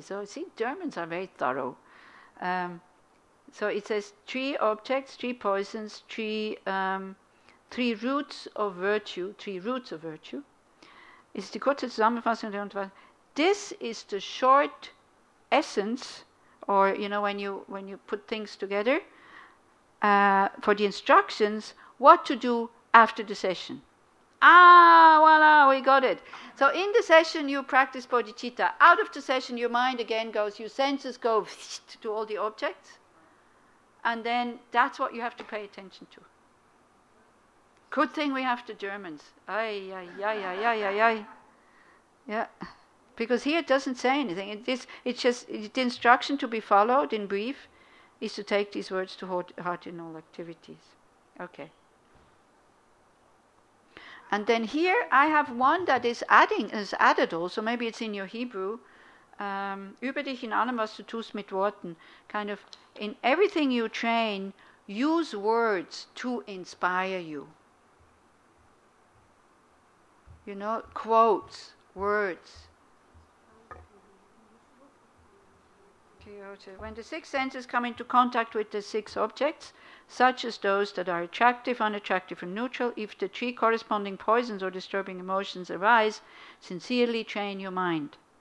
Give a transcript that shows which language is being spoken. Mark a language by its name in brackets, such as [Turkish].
[English] So see, Germans are very thorough. So it says three objects, three poisons, three roots of virtue, three roots of virtue. [German] Ist die kurze Zusammenfassung der Unterweisung. [English] This is the short essence, or you know, when you put things together, for the instructions, what to do after the session. Voila, we got it. So in the session, you practice bodhicitta. Out of the session, your mind again goes, your senses go to all the objects. And then that's what you have to pay attention to. Good thing we have the Germans. Ay, ay, ay, ay, ay, ay, ay. Yeah. Because here it doesn't say anything. It's just the instruction to be followed in brief is to take these words to heart in all activities. Okay. And then here I have one that is added also. Maybe it's in your Hebrew. [German] Über dich in allem, was du tust, mit Worten. [English] Kind of, in everything you train, use words to inspire you. You know, quotes, words. When the six senses come into contact with the six objects, such as those that are attractive, unattractive, or neutral, if the three corresponding poisons or disturbing emotions arise, sincerely train your mind.